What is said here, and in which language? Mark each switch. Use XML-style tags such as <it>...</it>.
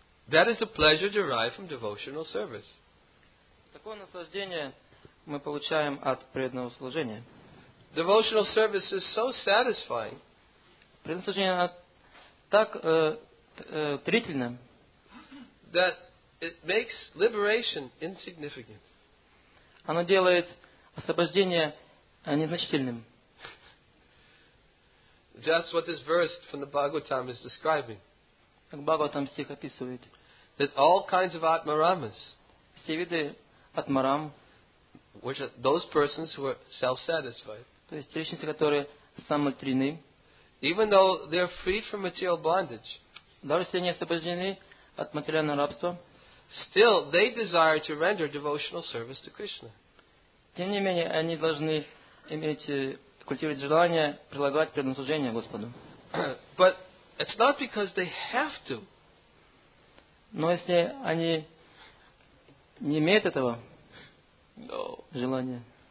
<en>That is the pleasure derived from devotional service.</en> <ru>Такое наслаждение мы получаем от преданного служения.</ru> <en>Devotional service is so satisfying.</en> <ru>Преданное служение так утомительно.</ru> <en>That it makes liberation insignificant.</en> <ru>Оно делает освобождение незначительным.</ru> <en>That's what this verse from the Bhagavatam is describing.</en> <ru>Как Бхагаватам стих описывает.</ru> <en>That all kinds of atmaramas,</en> <ru>все виды атмарам,</ru> <en>which are those persons who are self-satisfied,</en> <ru>то есть личности, которые самоутверждены,</ru> <en>even though they are freed from material bondage,</en> <ru>даже если они освобождены от материального рабства,</ru> <en>still they desire to render devotional service to Krishna.</en> <ru>Тем не менее, они должны иметь культивировать желание прилагать преданное служение Господу.</ru> <en>But it's not because they have to.</en> <ru>Но если они не имеют этого желания,</ru>